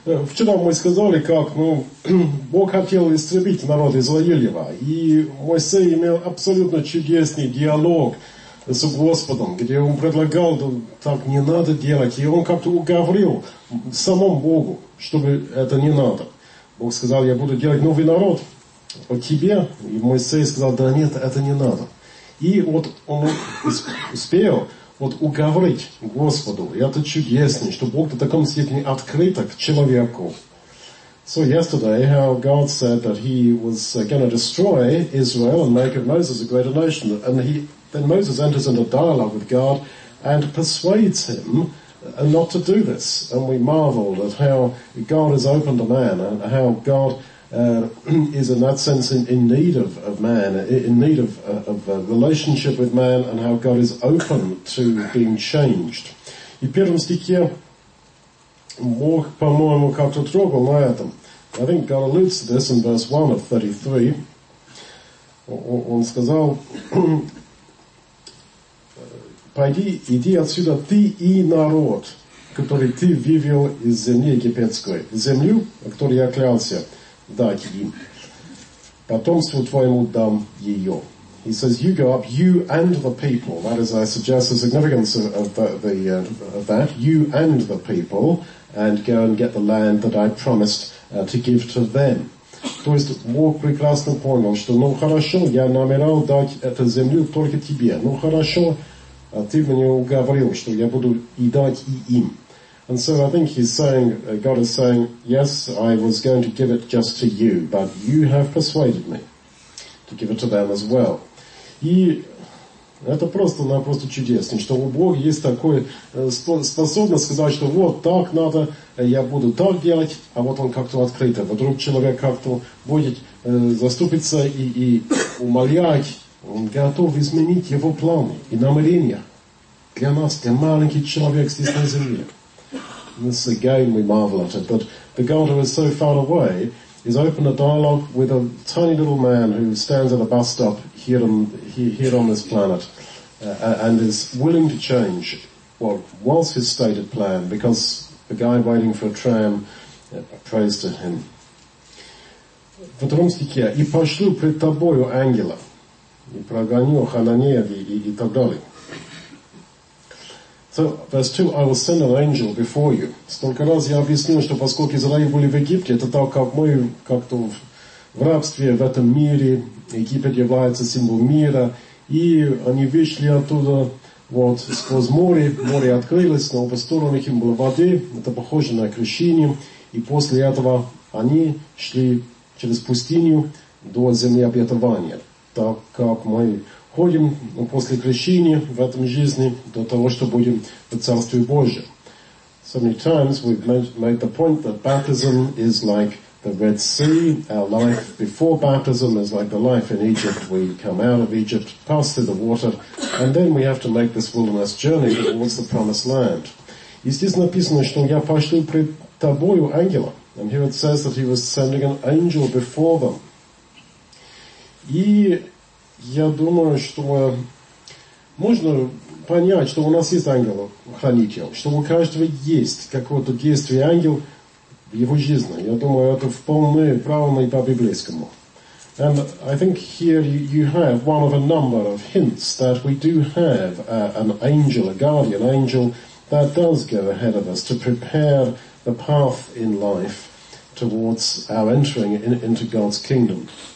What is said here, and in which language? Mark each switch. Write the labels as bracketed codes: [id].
[ru] Вчера мы сказали, как Бог хотел истребить народ Израилева, и Моисей имел абсолютно чудесный диалог с Господом, где он предлагал, так не надо делать, и он как-то уговорил самому Богу, чтобы это не надо. Бог сказал, я буду делать новый народ по тебе, и Моисей сказал, да нет, это не надо. И вот он успел вот уговорить Господу, и это чудесно, что Бог в таком степени открыт к человеку. [en] So yesterday, how God said that he was going to destroy Israel and make of Moses a greater nation, and then Moses enters into dialogue with God and persuades him not to do this. And we marveled at how God has opened a man, and how God is in that sense in need of man, in need of a relationship with man, and how God is open to being changed. [ru] И в первом стихе Бог, по-моему, как-то трогал на этом. [en] I think God alludes to this in verse 1 of 33. [ru] Он сказал, «Пойди, иди отсюда ты и народ, который ты вывел из земли египетской, землю, о которой я клялся». Дать им. Потомству твоему дам ее. [en] He says, you go up, you and the people. That is, I suggest, the significance of that. You and the people, and go and get the land that I promised to give to them. [ru] То есть, Бог прекрасно понял, что, ну хорошо, я намерал дать эту землю только тебе. Ну хорошо, ты мне уговорил, что я буду и дать и им. [en] And so I think he's saying, God is saying, yes, I was going to give it just to you, but you have persuaded me to give it to them as well. [ru] И это просто-напросто чудесно, что у Бога есть такая способность сказать, что вот так надо, я буду так делать, а вот он как-то открыто. Вдруг человек как-то будет заступиться и умолять, он готов изменить его планы и намерения для нас, для маленьких человек здесь на земле. [en] This again we marvel at it, but the God who is so far away is open to dialogue with a tiny little man who stands at a bus stop here on this planet and is willing to change what was his stated plan because a guy waiting for a tram prays to him. [ru] В втором стихе, и пошлю пред тобою ангела, и прогоню Хананея и так далее. [en] So, verse 2, I will send an angel before you. [ru] Столько раз я объяснил, что поскольку Израиль были в Египте, это так, как мы как-то в рабстве в этом мире, Египет является символом мира, и они вышли оттуда, вот, сквозь море, море открылось, на обе стороны им было воды, это похоже на крещение, и после этого они шли через пустыню до земли обетования, так как мы ходим после крещения в этом жизни до того, что будем в Царстве Божьем. [en] So many times we've made the point that baptism is like the Red Sea. Our life before baptism is like the life in Egypt. We come out of Egypt, pass through the water, and then we have to make this wilderness journey towards the Promised Land. [ru] И здесь написано, что я пошлю пред тобою ангела. [en] And here it says that he was sending an angel before them. [ru] И я думаю, что можно понять, что у нас есть ангел-хранитель, что у каждого есть какое-то действие ангел в его жизни. Я думаю, это вполне правильно и по-библейскому. [en] And I think here you have one of a number of hints that we do have an angel, a guardian angel, that does go ahead of us to prepare the path in life towards our entering into God's kingdom.